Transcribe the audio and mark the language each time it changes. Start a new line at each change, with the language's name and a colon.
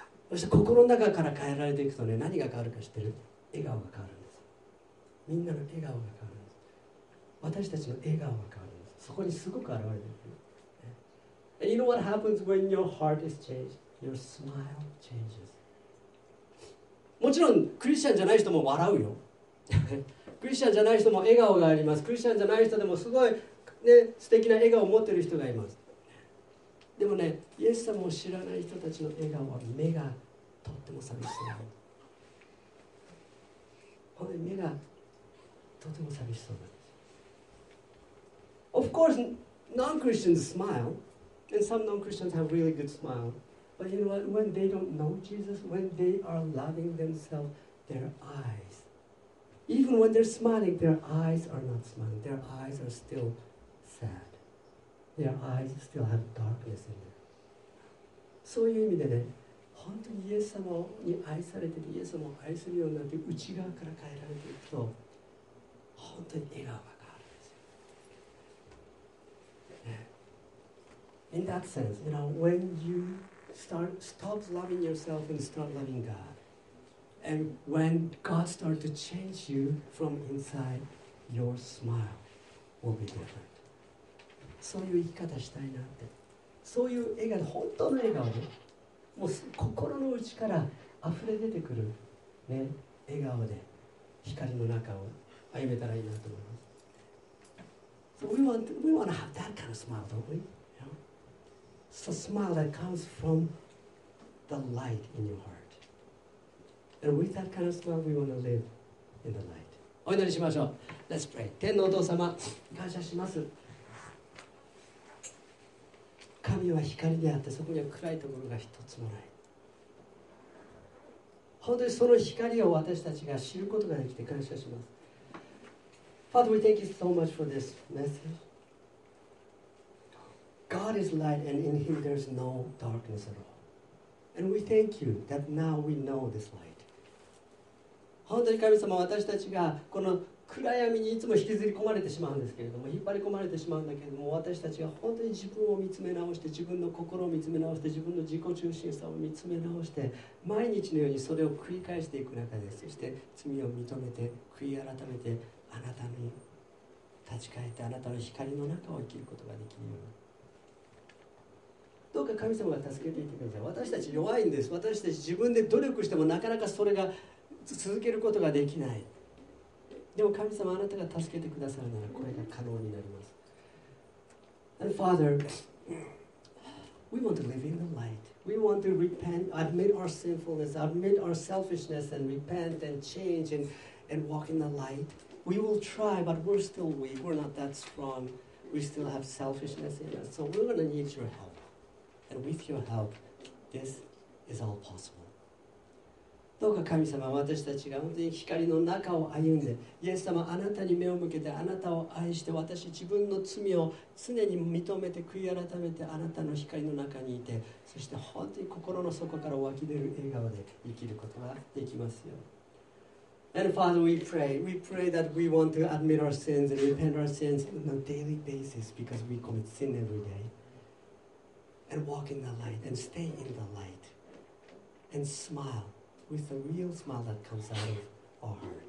Japanese: そして心の中から変えられていくとね、何が変わるか知ってる？笑顔が変わるんです。みんなの笑顔が変わるんです。私たちの笑顔が変わるんです。そこにすごく現れてくる。
English: And you know what happens when your heart is changed? Your smile changes.
Japanese: もちろん、クリスチャンじゃない人も笑うよ。クリスチャンじゃない人も笑顔があります。クリスチャンじゃない人でもすごい、ね、素敵な笑顔を持っている人がいます。でもね、イエス様を知らない人たちの笑顔は目がとっても寂しそうなの。目がとても寂しそうなんです。
English: Of course, non-Christians smile, and some non-Christians have really good smile. But you know what? When they don't know Jesus, when they are loving themselves, their eyes, even when they're smiling, their eyes are not smiling. Their eyes are still sad. Their eyes still have darkness in them.
Japanese: そういう意味でね、本当にイエス様に愛されてて、イエス様を愛するようになって、内側から変えられていくと、本当に笑顔が変わるんですよ。
English: In that sense, you know, when you stop loving yourself and start loving God, and when God starts to change you from inside, your smile will be different.
Japanese: そういう生き方したいなって、そういう笑顔、本当の笑顔で、もう心の内から溢れ出てくる、ね、笑顔で光の中を歩めたらいいなと思います。
English: So we want to have that kind of smile, don't we? It's a smile that comes from the light in your heart. And with that kind of smile, we want to live in the light.
Japanese: お祈りしましょう。
English: Let's pray.
Japanese: 天のお父様、感謝します。神は光であって、そこには暗いところが一つもない。本当にその光を私たちが知ることができて感謝します。
English: Father, we thank you so much for this message. God is light and in him there's no darkness at all. And we thank you that now we know this light.
Japanese: 本当に神様、私たちがこの暗闇にいつも引きずり込まれてしまうんですけれども、引っ張り込まれてしまうんだけれども、私たちが本当に自分を見つめ直して、自分の心を見つめ直して、自分の自己中心さを見つめ直して、毎日のようにそれを繰り返していく中で、そして罪を認めて、悔い改めて、あなたに立ち返って、あなたの光の中を生きることができるように。どうか神様が助けていてください。私たち弱いんです。私たち自分で努力してもなかなかそれが続けることができない。でも神様、あなたが助けてくださるならこれが可能になります。
English: And Father, we want to live in the light. We want to repent, admit our sinfulness, admit our selfishness, and repent and change and walk in the light. We will try, but we're still weak. We're not that strong. We still have selfishness in us. So we're going to need your help. And with your help, this is all possible.
Japanese: どうか神様、私たちが本当に光の中を歩んで、イエス様、あなたに目を向けて、あなたを愛して、私自分の罪を常に認めて悔い改めて、あなたの光の中にいて、そして本当に心の底から湧き出る笑顔で生きることができますよ。
English: And Father, we pray that we want to admit our sins and repent our sins on a daily basis because we commit sin every day and walk in the light and stay in the light and smileWith a real smile that comes out of our heart.